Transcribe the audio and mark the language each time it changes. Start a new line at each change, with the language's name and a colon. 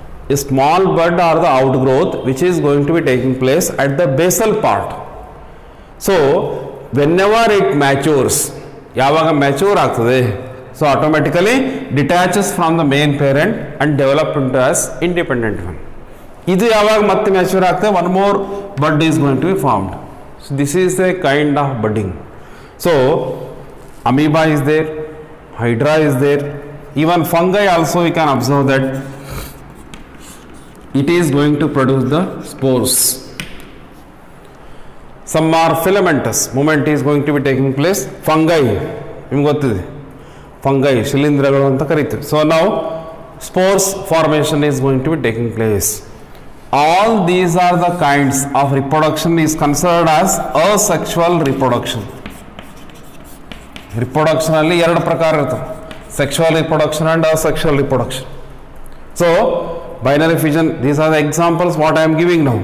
English: A small bud or the outgrowth which is going to be taking place at the basal part. So whenever it matures,
Kannada: yavaga mature aagutade,
English: so automatically detaches from the main parent and develops into as independent one.
Kannada: ಇದು ಯಾವಾಗ ಮತ್ತೆ mature ಆಗ್ತದೆ,
English: One more bud is going to be formed. So this is a kind of budding. So amoeba is there, hydra is there, even fungi also you can observe that it is going to produce the spores. Some are filamentous movement is going to be taking place.
Kannada: Fungi ನಿಮ್ಗೆ ಗೊತ್ತಿದೆ, fungi ಶಿಲೀಂಧ್ರಗಳು ಅಂತ ಕರಿತೀವಿ.
English: So ನಾವು spores formation is going to be taking place. All these are the kinds of reproduction is considered as asexual reproduction. Reproduction
Kannada: alli erdu prakara irutha,
English: sexual reproduction and asexual reproduction. So binary fission, these are the examples what I am giving now.